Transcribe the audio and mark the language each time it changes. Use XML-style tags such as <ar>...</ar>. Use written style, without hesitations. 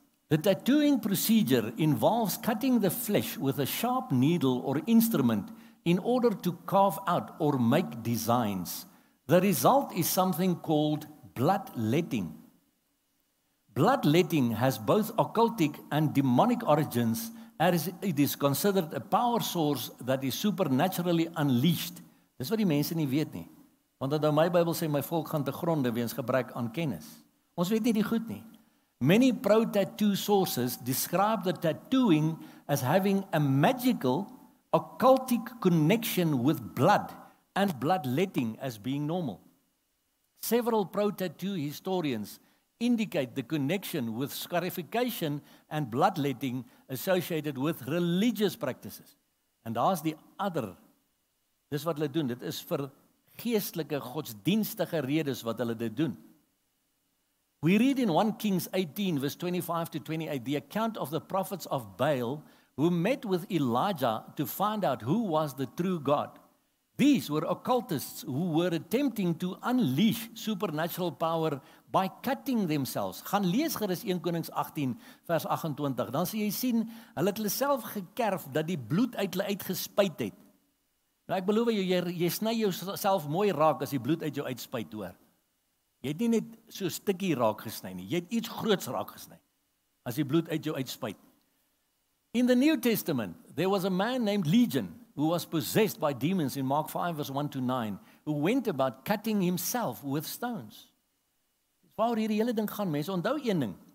<en>The tattooing procedure involves cutting the flesh with a sharp needle or instrument in order to carve out or make designs. The result is something called bloodletting. Bloodletting has both occultic and demonic origins, as it is considered a power source that is supernaturally unleashed.</en> <af>Dis wat die mense nie weet nie. Want dan my Bybel sê my volk gaan te gronde weens gebrek aan kennis. Ons weet nie die goed nie.</af> <en>Many pro tattoo sources describe the tattooing as having a magical occultic connection with blood and bloodletting as being normal. Several pro tattoo historians indicate the connection with scarification and bloodletting associated with religious practices.</en> <af>And daar's die ander. Dis wat hulle doen. Dit is vir geestelike godsdienstige redes wat hulle dit doen.</af> <en>We read in 1 Kings 18, verse 25 to 28, the account of the prophets of Baal who met with Elijah to find out who was the true God. These were occultists who were attempting to unleash supernatural power by cutting themselves.</en> <af>Gaan lees gerus 1 Konings 18 vers 28. Dan sien jy sien, hulle het hulle self gekerf dat die bloed uit hulle uitgespuit het. Nou ek beloof jou, jy sny jouself mooi raak as die bloed uit jou uitspuit hoor. Jy het nie net so stukkie raak gesny nie, jy het iets groots raak gesny as die bloed uit jou uitspuit.</af> <en>In the New Testament, there was a man named Legion who was possessed by demons in Mark 5 verse 1 to 9, who went about cutting himself with stones.</en> <af>Waar hierdie hele ding gaan, mense, onthou een ding.</af>